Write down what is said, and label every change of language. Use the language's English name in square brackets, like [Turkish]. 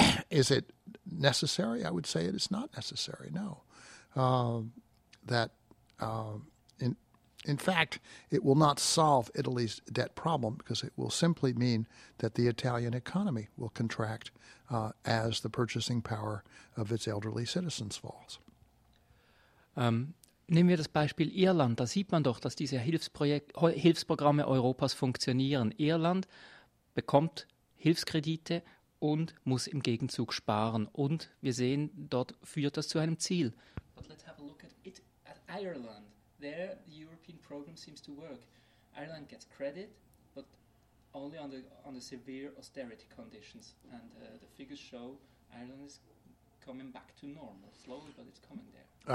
[English] Is it necessary? I would say it is not necessary, no. In fact, it will not solve Italy's debt problem because it will simply mean that the Italian economy will contract as the purchasing power of its elderly citizens falls. [German] Nehmen wir das Beispiel Irland. Da sieht man doch, dass diese Hilfsprogramme Europas funktionieren. Irland bekommt Hilfskredite und muss im Gegenzug sparen. Und wir sehen, dort führt das zu einem Ziel. [English] But let's have a look at Ireland. There the European program seems to work. Ireland gets credit, but only under severe austerity conditions. And the figures show Ireland is coming back to normal, slowly, but it's coming there.